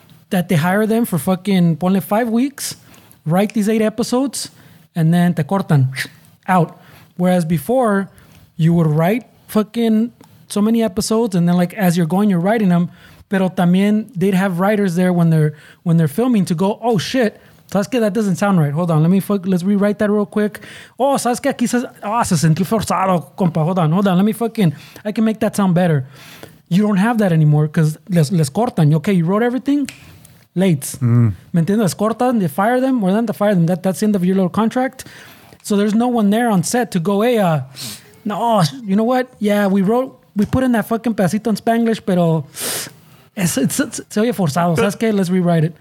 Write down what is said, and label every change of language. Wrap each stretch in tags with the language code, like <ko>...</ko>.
<en>That they hire them for fucking, ponle 5 weeks, write these 8 episodes, and then</en> <es>te cortan,</es> <en>out. Whereas before, you would write fucking so many episodes, and then like as you're going, you're writing them. Pero también, they'd have writers there when they're filming to go, oh shit,</en> <es>sabes que</es> <en>that doesn't sound right. Hold on, let's rewrite that real quick.</en> <es>Oh, sabes que aquí se sentí forzado, compa.</es> <en>Hold on, let me fucking, I can make that sound better. You don't have that anymore because</en> <es>les cortan.</es> <en>Okay, you wrote everything. Late.</en> <es>¿Me entiendes?</es> <en>Cortan, they fire them, or then they fire them. That's the end of your little contract. So there's no one there on set to go, hey, you know what? Yeah, we put in that fucking pedacito in Spanglish,</en> <es>pero se oye forzado. ¿Sabes qué?</es> <en>Let's rewrite it.</en>